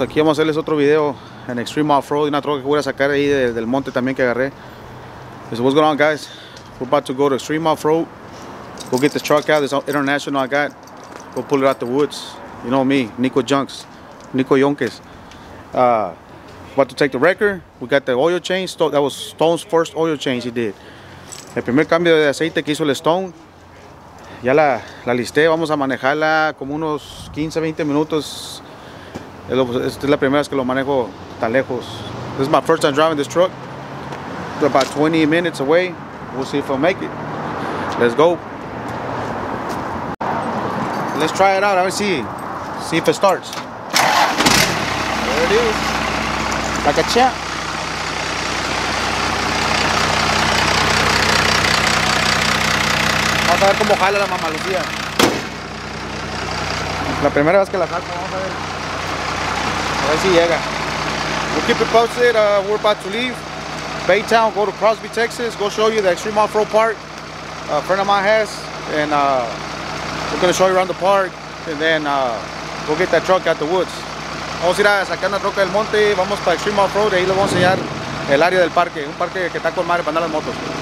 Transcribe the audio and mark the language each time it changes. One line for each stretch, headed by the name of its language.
Spanish: Aquí vamos a hacerles otro video en Extreme Off-Road, una troca que voy a sacar ahí del monte también que agarré.
English: So what's going on, guys? We're about to go to Extreme Off-Road. We'll get this truck out, this International I got. We'll pull it out the woods. You know me, Nico Junks, Nico Yonkes. About to take the record. We got the oil change. That was Stone's first oil change he did.
Spanish: El primer cambio de aceite que hizo el Stone. Ya la listé. Vamos a manejarla como unos 15, 20 minutos. Esta es la primera vez que lo manejo tan lejos.
English: This is my first time driving this truck. We're about 20 minutes away. We'll see if we'll make it. Let's go. Let's try it out. Let's see if it starts. There it is. Like a champ.
Spanish: Vamos a ver cómo jala la mamalucía. La primera vez que la saco, vamos a ver. A ver si llega.
English: We'll keep it posted. We're about to leave Baytown, go to Crosby, Texas, go show you the Extreme Off-Road Park a friend of mine has, and we're gonna show you around the park, and then go get that truck out the woods.
Spanish: Vamos a ir a sacar la troca del monte, vamos para Extreme Off-Road, y ahí le vamos a enseñar el área del parque, un parque que está con madre para andar las motos.